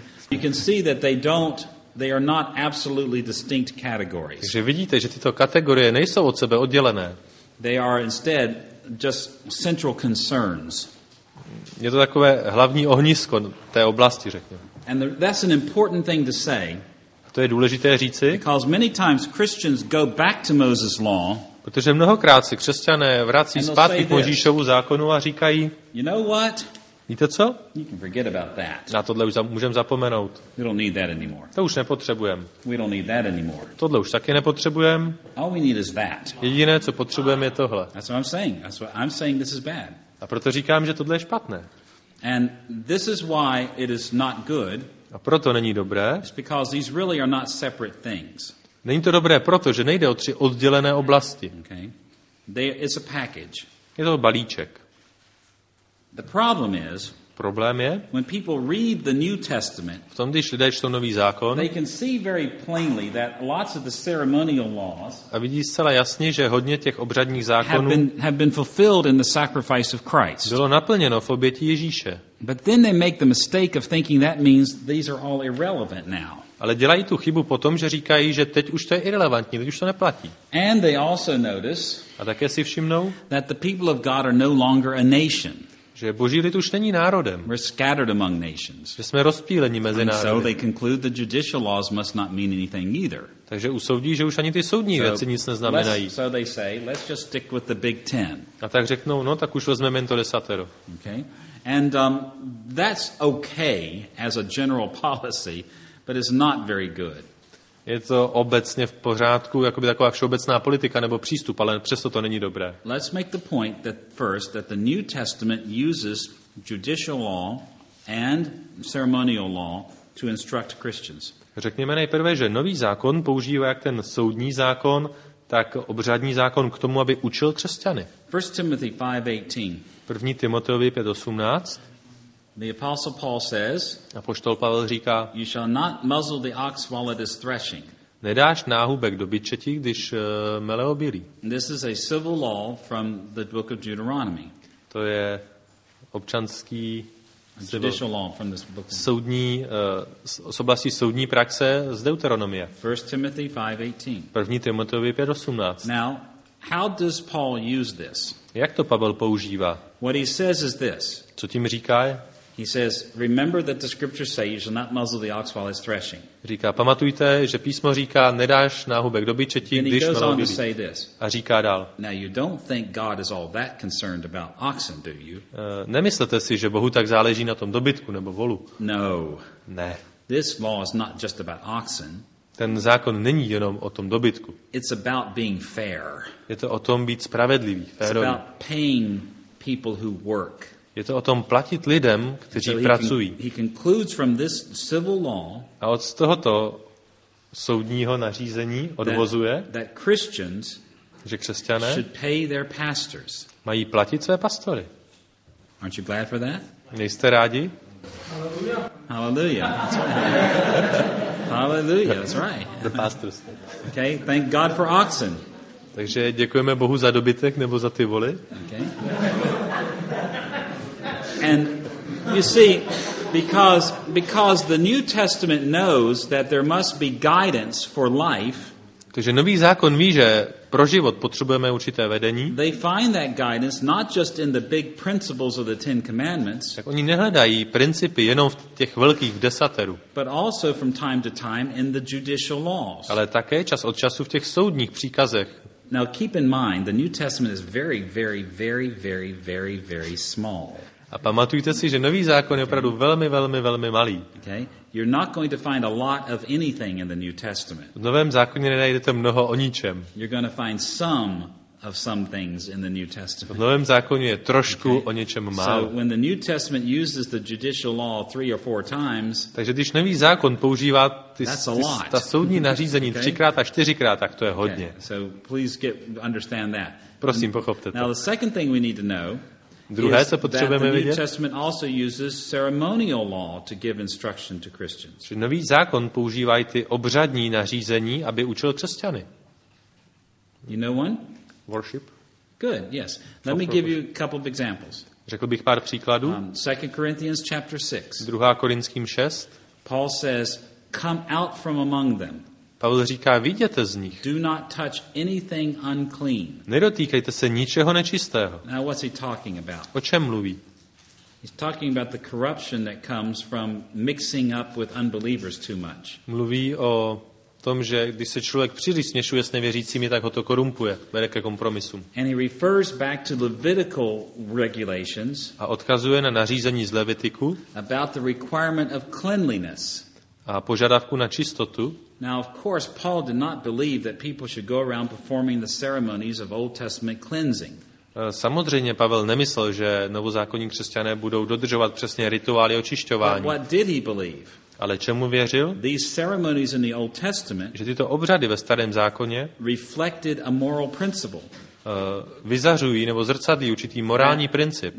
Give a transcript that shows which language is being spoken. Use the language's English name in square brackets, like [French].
[English] You can see that they don't they are not absolutely distinct categories. [Czech] Takže vidíte, že tyto kategorie nejsou od sebe oddělené. [English] They are instead just central concerns. [Czech] Je to takové hlavní ohnisko té oblasti, řekněme. [English] And that's an important thing to say. [Czech] To je důležité říci. [English] Because many times Christians go back to Moses' law. [Czech] Protože mnohokrát se křesťané vrací zpátky k Mojžíšovu zákonu a říkají, [English] you know what? [Czech] Víte co? [English] You can forget about that. [Czech] Na tohle už můžeme zapomenout. [English] We don't need that anymore. [Czech] To už nepotřebujeme. [English] We don't need that anymore. [Czech] Tohle už taky nepotřebujeme. [English] All we need is that. [Czech] Jediné, co potřebujeme, je tohle. [English] That's what I'm saying. That's what I'm saying, this is bad. [Czech] A proto říkám, že tohle je špatné. [English] And this is why it is not good. [Czech] A proto není dobré. [English] It's because these really are not separate things. [Czech] Není to dobré proto, že nejde o tři oddělené oblasti. [English] Okay. It's a package. [Czech] Je to balíček. [English] The problem is, [Czech] problém je, [English] when people read the New Testament, [Czech] v tom, když lidé čtou Nový zákon, [English] they can see very plainly that lots of the ceremonial laws, [Czech] a vidí zcela jasně, že hodně těch obřadních zákonů [English] have been fulfilled in the sacrifice of Christ. [Czech] Bylo naplněno v oběti Ježíše. [English] But then they make the mistake of thinking that means these are all irrelevant now. [Czech] Ale dělají tu chybu potom, že říkají, že teď už to je irrelevantní, teď už to neplatí. [English] And they also notice, [Czech] a také si všimnou, [English] that the people of God are no longer a nation. [Czech] Že Boží lid už není národem. [English] We're scattered among nations. [Czech] Že jsme rozptýleni mezi národy. [English] And so they conclude the judicial laws must not mean anything either. [Czech] Takže usoudí, že už ani ty soudní věci nic neznamenají. [English] So they say, let's just stick with the big ten. [Czech] A tak řeknou, no tak už vezmeme jen to desatero. [English] Okay. And that's okay as a general policy, but it's not very good. [Czech] Je to obecně v pořádku, jako by taková všeobecná politika nebo přístup, ale přesto to není dobré. [English] Let's make the point that first that the New Testament uses judicial law and ceremonial law to instruct Christians. [Czech] Řekněme nejprve, že Nový zákon používá jak ten soudní zákon, tak obřadní zákon k tomu, aby učil křesťany. [English] 1 Timothy 5:18. [Czech] 1. Timoteovi 5:18. [English] The apostle Paul says, [Czech] apoštol Pavel říká, [English] you shall not muzzle the ox while it is threshing. [Czech] Nedáš náhubek do byčeti, když mele obilí. [English] This is a civil law from the book of Deuteronomy. [Czech] To je občanský [English] judicial law from this book. [Czech] Soudní z oblasti soudní praxe z Deuteronomie. [English] 1 Timothy 5:18. [Czech] 1. Timoteovi 5:18. [English] Now, how does Paul use this? [Czech] Jak to Pavel používá? [English] What he says is this. [Czech] Co tím říká? [English] He says, remember that the scriptures say you shall not muzzle the ox while it's threshing. [Czech] Říká, pamatujte, že písmo říká, nedáš náhubek do byčeti, když mele obilí. A říká dál. [English] Now you don't think God is all that concerned about oxen, do you? [Czech] Nemyslete si, že Bohu tak záleží na tom dobytku nebo volu. [English] No. [Czech] Ne. [English] This law is not just about oxen. [Czech] Ten zákon není jenom o tom dobytku. [English] It's about being fair. [Czech] Je to o tom být spravedlivý, férový. [English] It's about paying people who work. [Czech] Je to o tom platit lidem, kteří [English] so [Czech] pracují. [English] He concludes from this civil law, [Czech] a od tohoto soudního nařízení odvozuje, [English] that Christians, [Czech] že křesťané [English] should pay their pastors. [Czech] Mají platit své pastory. [English] Aren't you glad for that? [Czech] Nejste rádi? [English] Hallelujah. Hallelujah, that's right. The pastors. Okay, thank God for oxen. [Czech] Takže děkujeme Bohu za dobytek nebo za ty voly. [English] Okay. And you see, because the New Testament knows that there must be guidance for life. [Czech] Takže Nový zákon ví, že pro život potřebujeme určité vedení. [English] They find that guidance not just in the big principles of the Ten Commandments. [Czech] Tak oni nehledají principy jenom v těch velkých desateru. [English] But also from time to time in the judicial laws. [Czech] Ale také čas od času v těch soudních příkazech. [English] Now keep in mind, the New Testament is very, very, very, very, very, very small. [Czech] A pamatujte si, že Nový zákon je opravdu velmi, velmi, velmi malý. [English] Okay. You're not going to find a lot of anything in the New Testament. [Czech] V Novém zákoně nenajdete mnoho o ničem. [English] You're going to find some of some things in the New Testament. [Czech] V Novém zákoně je trošku o něčem málo. [English] So when the New Testament uses the judicial law three or four times, [Czech] takže když Nový zákon používá ta soudní nařízení třikrát a čtyřikrát, tak to je hodně. [English] Okay. So please get understand that. [Czech] Prosím, pochopte to. [English] Now the second thing we need to know. [Czech] Druhé, co potřebujeme vidět, [English] the New Testament also uses ceremonial law to give instruction to Christians. [Czech] Že Nový zákon používá ty obřadní nařízení, aby učil křesťany. [English] You know one? Worship. Good. Yes. Let me give you a couple of examples. [Czech] Řekl bych pár příkladů. [English] 2 Corinthians chapter 6. [Czech] 2. Korinským 6. [English] Paul says come out from among them. [Czech] Pavel říká, vyjděte z nich. [English] Do not touch anything unclean. [Czech] Nedotýkejte se ničeho nečistého. [English] Now what's he talking about? [Czech] O čem mluví? [English] He's talking about the corruption that comes from mixing up with unbelievers too much. [Czech] Mluví o tom, že když se člověk příliš směšuje s nevěřícími, tak ho to korumpuje, vede ke kompromisům. [English] And he refers back to Levitical regulations. [Czech] A odkazuje na nařízení z Levitiku. [English] About the requirement of cleanliness. [Czech] A požadavku na čistotu. [English] Now of course Paul did not believe that people should go around performing the ceremonies of Old Testament cleansing. [Czech] Samozřejmě Pavel nemyslel, že novozákonní křesťané budou dodržovat přesně rituály očišťování. [English] But what did he believe? [Czech] Ale čemu věřil? [English] These ceremonies in the Old Testament, [Czech] že tyto obřady ve starém zákoně [English] reflected a moral principle. [Czech] Vyzařují nebo zrcadlí určitý morální princip,